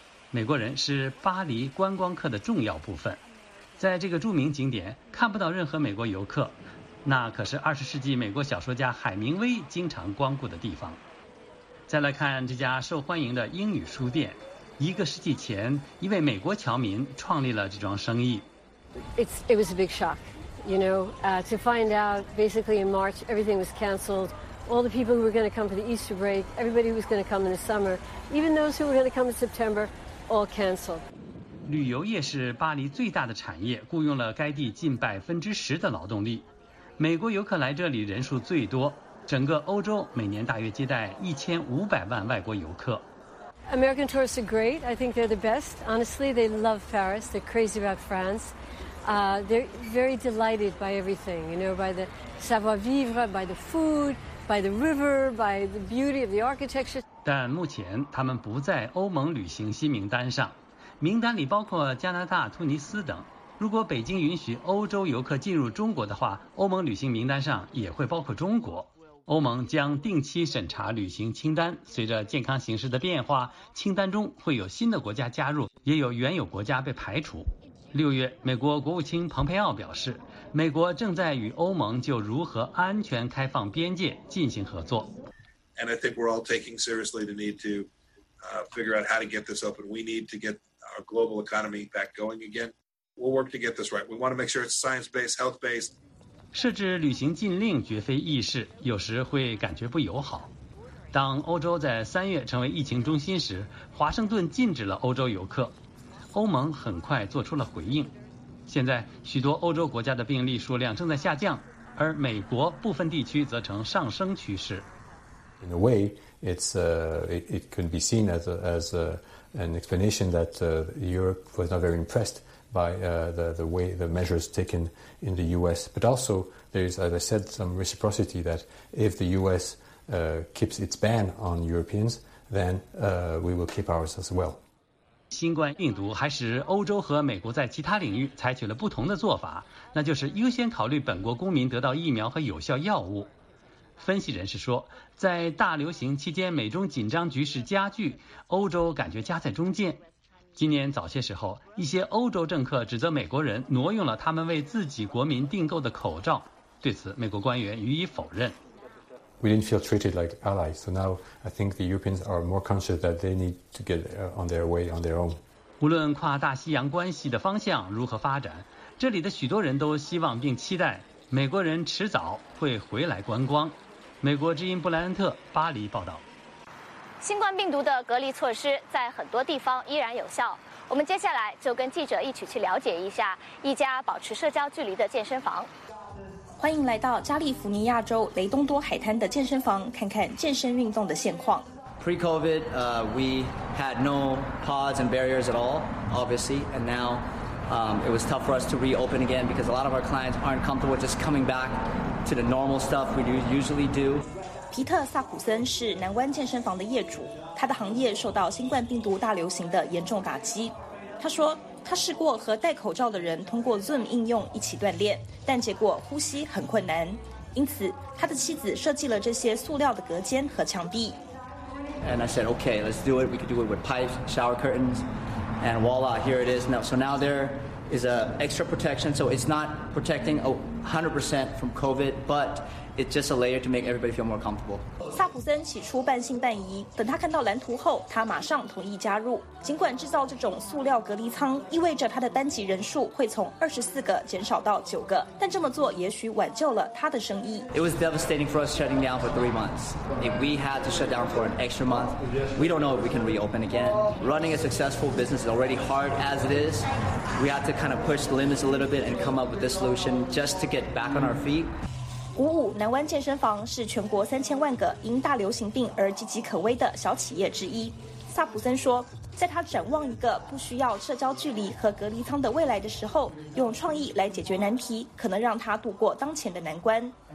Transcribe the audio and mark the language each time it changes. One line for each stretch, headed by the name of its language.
Chinese: 美国人是巴黎观光客的重要部分，在这个著名景点看不到任何美国游客，那可是20世纪美国小说家海明威经常光顾的地方。再来看这家受欢迎的英语书店，一个世纪前，一位美国侨民创立了这桩生意。
English: It was a big shock, you know, to find out basically in March everything was canceled. All the people who were going to come for the Easter break, everybody who was going to come in the summer, even those who were going to come in September, all canceled.
Chinese: 旅游业是巴黎最大的产业，雇佣了该地近10%的劳动力。美国游客来这里人数最多，整个欧洲每年大约接待1500万外国游客。
English: American tourists are great. I think they're the best. Honestly, they love Paris. They're crazy about France. They're very delighted by everything, you know, by the savoir vivre, by the food, by the river, by the beauty of the architecture.
Chinese: 但目前他们不在欧盟旅行新名单上，名单里包括加拿大、突尼斯等。如果北京允许欧洲游客进入中国的话，欧盟旅行名单上也会包括中国。欧盟将定期审查旅行清单，随着健康形势的变化，清单中会有新的国家加入，也有原有国家被排除。六月，美国国务卿蓬佩奥表示，美国正在与欧盟就如何安全开放边界进行合作。
English: And I think we're all taking seriously the need to figure out how to get this open. We need to get our global economy back going again. We'll work to get this right. We want to make sure it's science-based, health-based.
Chinese: 设置旅行禁令绝非易事，有时会感觉不友好。当欧洲在3月成为疫情中心时，华盛顿禁止了欧洲游客，欧盟很快做出了回应。现在许多欧洲国家的病例数量正在下降，而美国部分地区则呈上升趋势。
English: In a way, it could be seen as an explanation that Europe was not very impressed. By the way the measures taken in the U.S. But also there is, as I said, some reciprocity that if the U.S. Keeps its ban on Europeans, then we will keep ours as well.
Chinese: 新冠病毒还使欧洲和美国在其他领域采取了不同的做法，那就是优先考虑本国公民得到疫苗和有效药物。分析人士说，在大流行期间，美中紧张局势加剧，欧洲感觉夹在中间。今年早些时候，一些欧洲政客指责美国人挪用了他们为自己国民订购的口罩。对此，美国官员予以否认。 We didn't feel treated like allies, so now I think the Europeans are more conscious that they need to get on their way on their own. 无论跨大西洋关系的方向如何发展，这里的许多人都希望并期待美国人迟早会回来观光。美国之音布莱恩特，巴黎报道。新冠病毒的隔离措施在很多地方依然有效，我们接下来就跟记者一起去了解一下一家保持社交距离的健身房。欢迎来到加利福尼亚州雷东多海滩的健身房，看看健身运动的现况。
English: Pre-COVID, we had no pods and barriers at all, obviously, and now, it was tough for us to reopen again because a lot of our clients aren't comfortable just coming back to the normal stuff we usually do.
Chinese: 皮特·萨普森是南湾健身房的业主，他的行业受到新冠病毒大流行的严重打击。他说，他试过和戴口罩的人通过 Zoom 应用一起锻炼，但结果呼吸很困难。因此，他的妻子设计了这些塑料的隔间和墙壁。
English: And I said, okay, let's do it. We could do it with pipes, shower curtains, and voila, here it is. Now, so now there is a extra protection. So it's not protecting 100% from COVID, but It's just a layer to make everybody feel more comfortable.
Chinese: 萨普森起初半信半疑，等他看到蓝图后，他马上同意加入。尽管制造这种塑料隔离舱意味着他的班级人数会从24个减少到9个，但这么做也许挽救了他的生意。
English: It was devastating for us shutting down for 3 months. If we had to shut down for an extra month, we don't know if we can reopen again. Running a successful business is already hard as it is. We had to kind of push the limits a little bit and come up with this solution just to get back on our feet.
Chinese: 鼓舞南湾健身房是全国3000万个因大流行病而岌岌可危的小企业之一。萨普森说，在他展望一个不需要社交距离和隔离舱的未来的时候，用创意来解决难题，可能让他度过当前的难关。